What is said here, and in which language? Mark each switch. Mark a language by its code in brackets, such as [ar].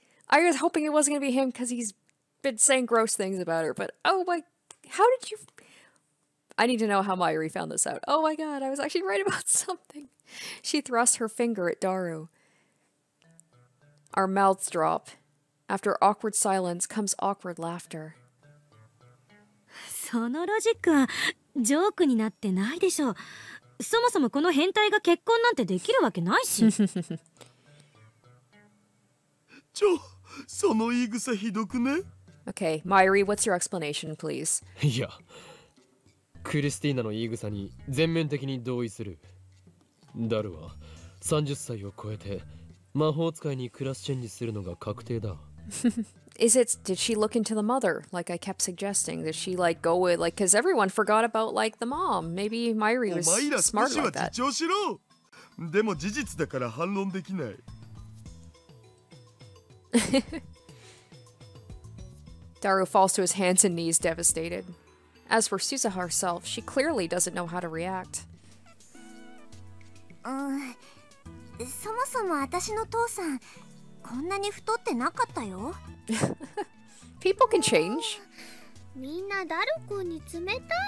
[en] I was hoping it wasn't gonna be him because he's been saying gross things about her, but oh my... How did you... I need to know how Mayuri found this out. Oh my god, I was actually right about something! She thrusts her finger at Daru. Our mouths drop. After awkward silence comes awkward laughter. [ja] そのロジックはジョークになってないでしょう。そもそもこの変態が結婚なんてできるわけないし。ちょ、その言い草ひどくね。 [en] Okay, Mayuri, what's your explanation, please? [ja] いや、クリスティーナの言い草に全面的に同意する。ダルは30歳を超えて魔法使いにクラスチェンジするのが確定だ。 [en] Is it, did she look into the mother, like I kept suggesting? Did she like go with, like, because everyone forgot about like the mom. Maybe Mayuri was smart like that. [ja] お前ら少しは自重しろ。でも事実だから反論できない。 [en] Daru falls to his hands and knees, devastated. As for Suzuha herself, she clearly doesn't know how to react. [ja] そもそも私の父さん、こんなに太ってなかったよ。 [en] People can change. [ja] みんなダルくんに冷たいよ。